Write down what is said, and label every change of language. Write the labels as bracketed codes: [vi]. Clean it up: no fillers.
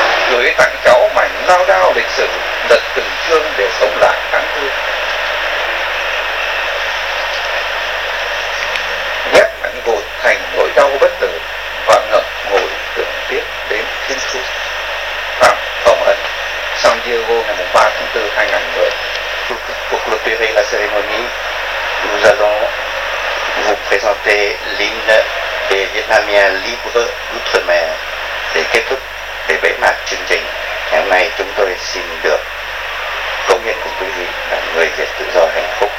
[vi] Gửi tặng cháu mảnh lao đao lịch sử, lật từng chương để sống lại tháng Tư. Ghép mảnh vụn thành nỗi đau bất tử, và ngập ngồi tưởng tiếc đến thiên thu. Phạm Phỏng Ấn, San Diego, ngày 3 tháng 4, 2010. [fr] Pour clôturer la cérémonie, nous allons vous présenter l'hymne des Vietnamiens libres d'outre-mer. [vi] Để kết thúc để bế mạc chương trình, ngày hôm nay chúng tôi xin được cống hiến của quý vị là người Việt tự do hạnh phúc.